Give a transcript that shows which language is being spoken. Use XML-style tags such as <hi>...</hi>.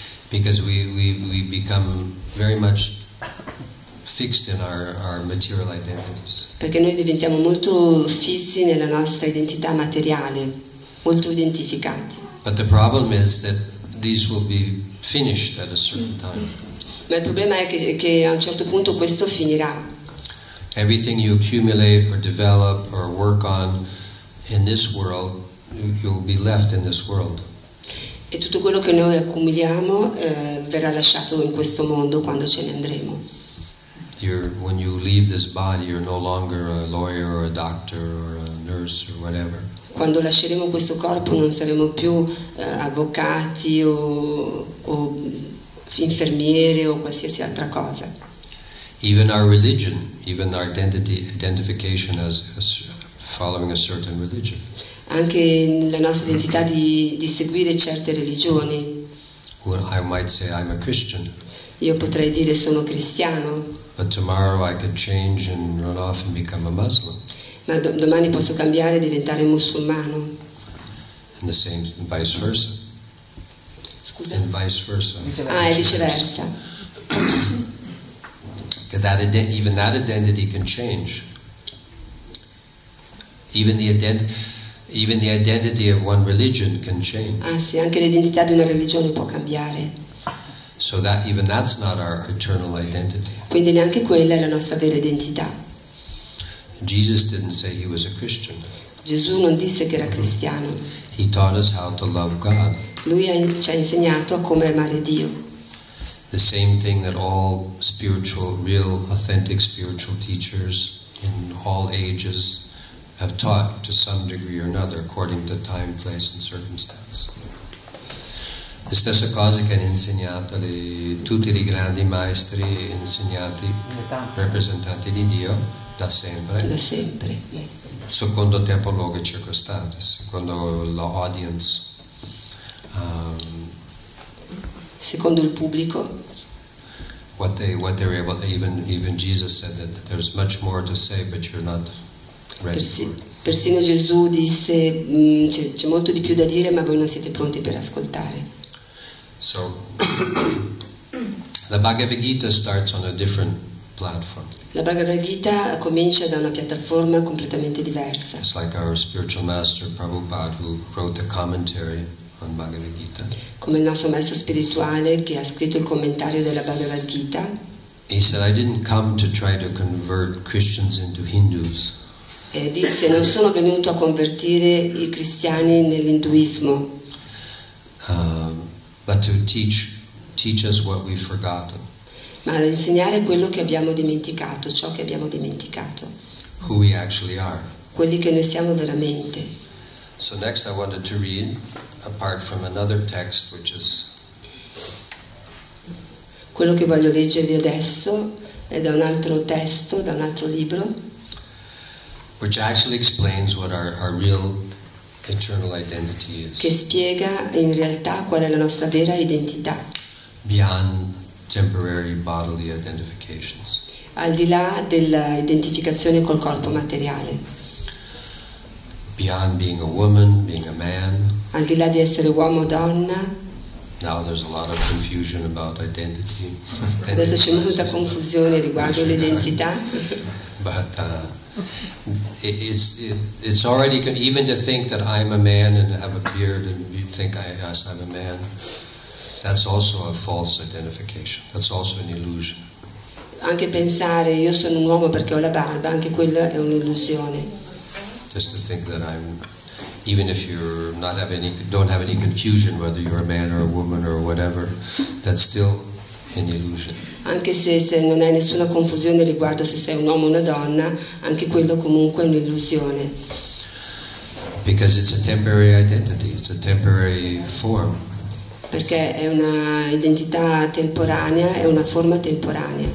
<en>Because we become very much fixed in our material identities.</en> <it>Perché noi diventiamo molto fissi nella nostra identità materiale, molto identificati.</it> <en>But the problem is that these will be finished at a certain time.</en> <it>Ma il problema è che a un certo punto questo finirà.</it> <en>Everything you accumulate or develop or work on in this world, you'll be left in this world.</en> <it>E tutto quello che noi accumuliamo verrà lasciato in questo mondo quando ce ne andremo.</it> <en>When you leave this body, you're no longer a lawyer or a doctor or a nurse or whatever.</en> <it>Quando lasceremo questo corpo non saremo più avvocati o infermiere o qualsiasi altra cosa.</it> <en>Even our religion, even our identification as following a certain religion.</en> <it>Anche la nostra identità di seguire certe religioni.</it> <en>Well, I might say I'm a Christian.</en> <it>Io potrei dire sono cristiano.</it> <en>But tomorrow I can change and run off and become a Muslim.</en> <it>Ma domani posso cambiare e diventare musulmano.</it> <en>And the same vice versa.</en> <it>Scusa.</it> <en>And vice versa.</en> <it>Ah, e viceversa.</it> <en>That even that identity can change. Even the identity of one religion can change.</en> <it>Ah, sì, anche l'identità di una religione può cambiare.</it> <en>So that even that's not our eternal identity.</en> <it>Quindi neanche quella è la nostra vera identità.</it> <en>Jesus didn't say he was a Christian.</en> <it>Gesù non disse che era cristiano.</it> <en>He taught us how to love God.</en> <it>Lui ci ha insegnato a come amare Dio.</it> <en>The same thing that all spiritual, real, authentic spiritual teachers in all ages have taught to some degree or another, according to time, place, and circumstance.</en> <it>La stessa cosa che hanno insegnato tutti i grandi maestri insegnati, rappresentanti di Dio. Da sempre. Da sempre. Secondo tempo, luogo e circostanze, secondo l'audience. Secondo il pubblico.</it> <en>What they're able to, even Jesus said that there's much more to say, but you're not ready.</en> <it>Persino Gesù disse c'è molto di più da dire, ma voi non siete pronti per ascoltare.</it> <en>So the Bhagavad Gita starts on a different platform.</en> <it>La Bhagavad Gita comincia da una piattaforma completamente diversa.</it> <en>It's like our spiritual master Prabhupada who wrote the commentary on Bhagavad Gita.</en> <it>Come il nostro maestro spirituale che ha scritto il commentario della Bhagavad Gita.</it> <en>He said, "I didn't come to try to convert Christians into Hindus."</en> <it>E disse, "Non sono venuto a convertire i cristiani nell'induismo."</it> <en>But to teach us what we've forgotten.</en> <it>Ma ad insegnare quello che abbiamo dimenticato, ciò che abbiamo dimenticato.</it> <en>Who we actually are.</en> <it>Quelli che noi siamo veramente.</it> <en>So next I wanted to read apart from another text which is</en> <it>quello che voglio leggervi adesso è da un altro testo, da un altro libro</it> <en>which actually explains what our real eternal identity is.</en> <it>Che spiega in realtà qual è la nostra vera identità.</it> <en>Beyond temporary bodily identifications.</en> <it>Al di là dell'identificazione col corpo materiale.</it> <en>Beyond being a woman, being a man.</en> <it>Al di là di essere uomo o donna.</it> <en>Now there's a lot of confusion about identity.</en> <it>Adesso c'è molta confusione riguardo l'identità.</it> <en>But it's already even to think that I'm a man and have a beard and you think I'm a man. That's also a false identification. That's also an illusion.</en> <it>Anche pensare io sono un uomo perché ho la barba, anche quella è un'illusione.</it> <en>Just to think that I'm, even if you're not have any, don't have any confusion whether you're a man or a woman or whatever, that's still an illusion.</en> <it>Anche se non hai nessuna confusione riguardo se sei un uomo o una donna, anche quello comunque è un'illusione.</it> <en>Because it's a temporary identity. It's a temporary form.</en> <it>Perché è una identità temporanea, è una forma temporanea.</it>